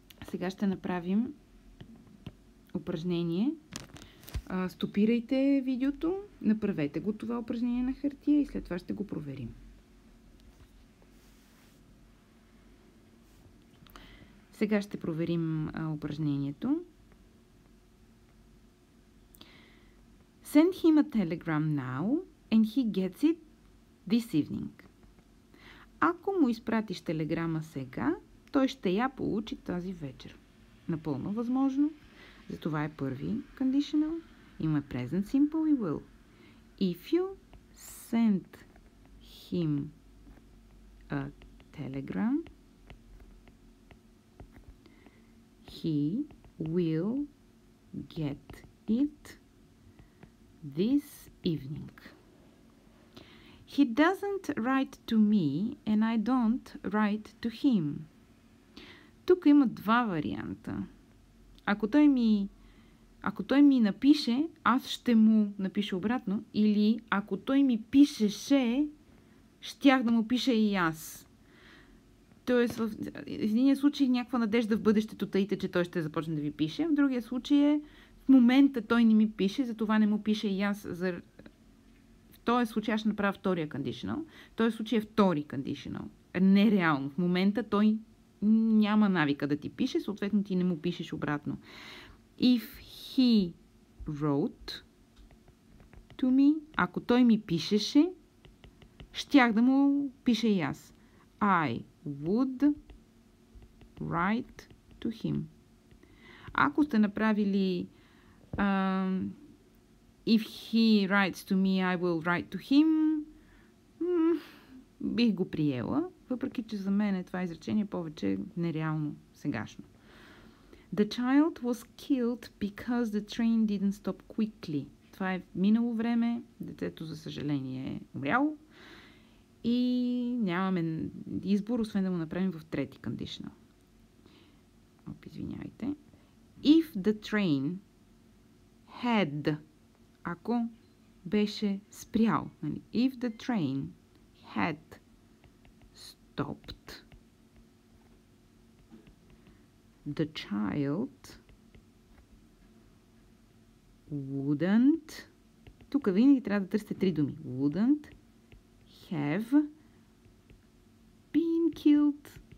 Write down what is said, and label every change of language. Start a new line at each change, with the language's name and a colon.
Bulgarian: Сега ще направим упражнение. Стопирайте видеото, направете го това упражнение на хартия и след това ще го проверим. Сега ще проверим упражнението.
English: Send him a telegram now and he gets it this evening.
Bulgarian: Ако му изпратиш телеграма сега, той ще я получи тази вечер. Напълно възможно. Затова е първи conditional. Има present simple и will.
English: If you send him a telegram, he will get it this evening. He doesn't write to me and I don't write to him.
Bulgarian: Тук има два варианта. Ако той ми напише, аз ще му напиша обратно. Или ако той ми пишеше, щях да му пише и аз. Тоест, в единия случай някаква надежда в бъдещето таите, че той ще започне да ви пише. В другия случай е, в момента той не ми пише, затова не му пише и аз. В този случай аз ще направя втория conditional. В този случай е втори conditional. Нереално. В момента той няма навика да ти пише, съответно ти не му пишеш обратно.
English: If he wrote to me,
Bulgarian: ако той ми пишеше, щях да му пише и аз.
English: I would write to him.
Bulgarian: Ако сте направили
English: if he writes to me, I will write to him,
Bulgarian: бих го приела, въпреки че за мен е това изречение повече нереално сегашно.
English: The child was killed because the train didn't stop quickly.
Bulgarian: Това е минало време, детето за съжаление е умряло и нямаме избор, освен да го направим в трети кондишнъл. Извинявайте.
English: If the train had,
Bulgarian: ако беше спрял,
English: if the train had stopped, the child wouldn't,
Bulgarian: тук винаги трябва да търсите три думи,
English: wouldn't have been killed.